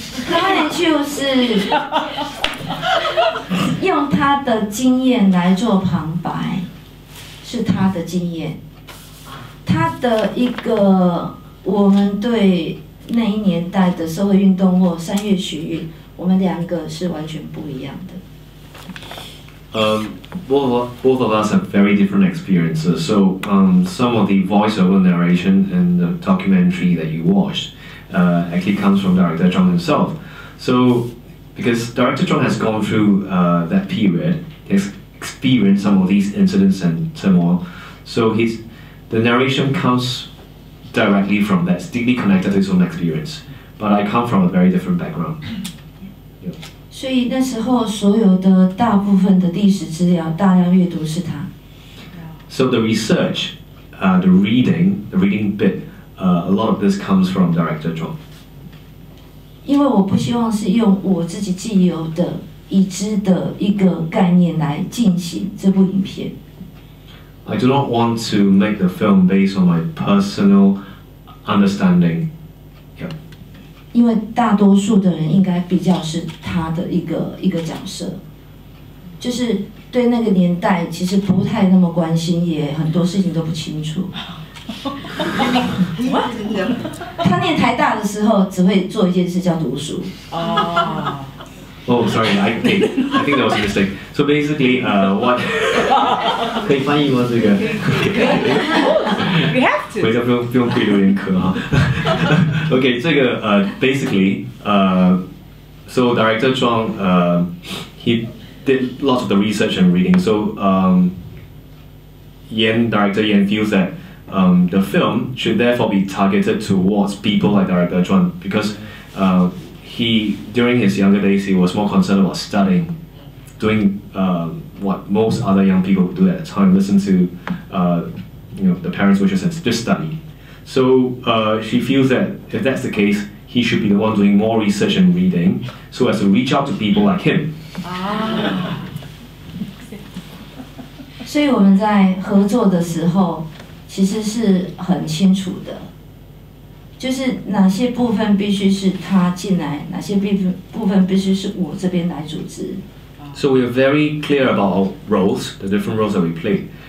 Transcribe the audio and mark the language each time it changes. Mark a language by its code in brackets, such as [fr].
[zh] Lan-chuan就是用他的经验来做旁白，是他的经验，他的一个我们对那一年代的社会运动或三月学运，我们两个是完全不一样的。 [en] Both of us have very different experiences. So, some of the voiceover narration in the documentary that you watched, actually comes from Director Juang himself. So, because Director Juang has gone through that period, he's experienced some of these incidents and turmoil. So the narration comes directly from that, it's deeply connected to his own experience. But I come from a very different background. Yeah. [zh] 所以那时候所有的大部分的历史资料大量阅读是他。 [en] So the research, the reading bit, a lot of this comes from Director Juang. [zh] 因为我不希望是用我自己既有的已知的一个概念来进行这部影片。 [en] I do not want to make the film based on my personal understanding. Yep. [zh] 因为大多数的人应该比较是他的一个角色，就是对那个年代其实不太那么关心，也很多事情都不清楚。他念台大的时候只会做一件事叫读书。 [en] Oh, sorry, I think that was a mistake. So basically, what... [zh] 可以翻译吗这个？ [en] You have to. [zh] 回家不用背有点渴哈。 [en] Okay, 这个basically, so Director Juang, he did lots of the research and reading. So, Director Yen feels that the film should therefore be targeted towards people like Director Juang because, during his younger days, he was more concerned about studying, doing what most other young people would do at the time, listen to the parents' wishes and just study. So she feels that if that's the case, he should be the one doing more research and reading so as to reach out to people like him. So we were working together, it's very clear. [zh] 就是哪些部分必须是他进来，哪些部分必须是我这边来组织。 [en] So we are very clear about our roles, the different roles that we play.